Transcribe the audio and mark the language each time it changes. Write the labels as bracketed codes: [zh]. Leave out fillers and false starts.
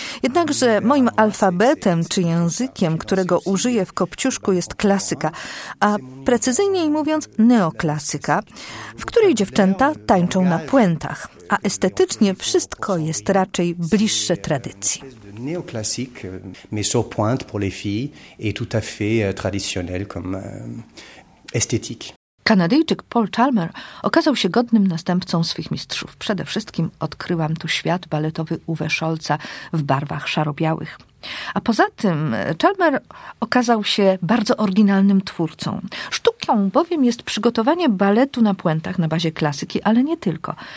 [pl] Jednakże moim alfabetem czy językiem, którego użyję w Kopciuszku, jest klasyka, a precyzyjniej mówiąc neoklasyka, w której dziewczęta tańczą na puentach, a estetycznie wszystko jest raczej bliższe tradycji. [fr] Néoclassique, mais sur pointe pour les filles, et tout à fait traditionnel comme esthétique. [pl] Kanadyjczyk Paul Chalmer okazał się godnym następcą swych mistrzów. Przede wszystkim odkryłam tu świat baletowy Uwe Scholza w barwach szaro-białych. A poza tym Chalmer okazał się bardzo oryginalnym twórcą. Sztuką bowiem jest przygotowanie baletu na puentach na bazie klasyki, ale nie tylko.